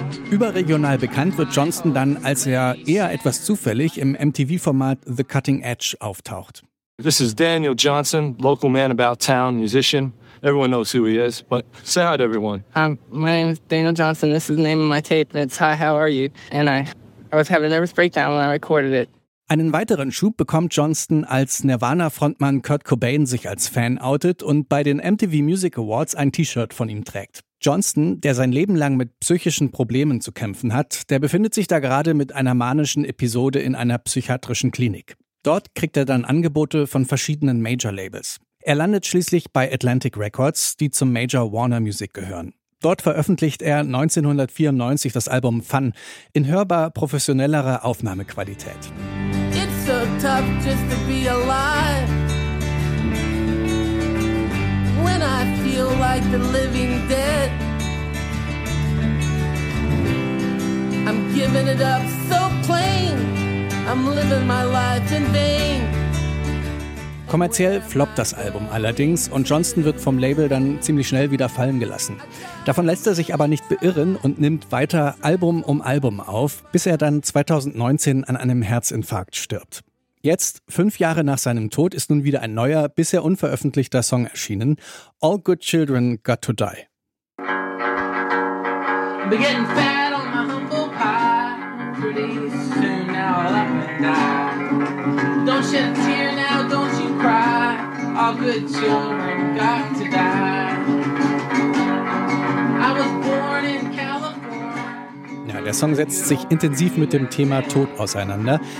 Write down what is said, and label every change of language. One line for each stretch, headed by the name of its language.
German: Überregional bekannt wird Johnston dann, als er eher etwas zufällig im MTV-Format The Cutting Edge auftaucht.
English: This is Daniel Johnston, local man about town, musician. Everyone knows who he is, but say hi to everyone. My name is Daniel Johnston, this is the name of my tape, and it's Hi, How Are You? And I was having a nervous breakdown when I recorded it.
German: Einen weiteren Schub bekommt Johnston, als Nirvana-Frontmann Kurt Cobain sich als Fan outet und bei den MTV Music Awards ein T-Shirt von ihm trägt. Johnston, der sein Leben lang mit psychischen Problemen zu kämpfen hat, der befindet sich da gerade mit einer manischen Episode in einer psychiatrischen Klinik. Dort kriegt er dann Angebote von verschiedenen Major-Labels. Er landet schließlich bei Atlantic Records, die zum Major Warner Music gehören. Dort veröffentlicht er 1994 das Album Fun in hörbar professionellerer Aufnahmequalität.
English: It's so tough just to be alive. When I feel like the living dead. I'm giving it up so plain. I'm living my life in vain.
German: Kommerziell floppt das Album allerdings und Johnston wird vom Label dann ziemlich schnell wieder fallen gelassen. Davon lässt er sich aber nicht beirren und nimmt weiter Album um Album auf, bis er dann 2019 an einem Herzinfarkt stirbt. Jetzt, 5 Jahre nach seinem Tod, ist nun wieder ein neuer, bisher unveröffentlichter Song erschienen, All Good Children Got to Die.
English: Beginning fat on my humble pie, pretty soon now I'll have to die. Don't shed a tear now, don't you cry. All good children got to die. I was born in California.
German: Ja, der Song setzt sich intensiv mit dem Thema Tod auseinander.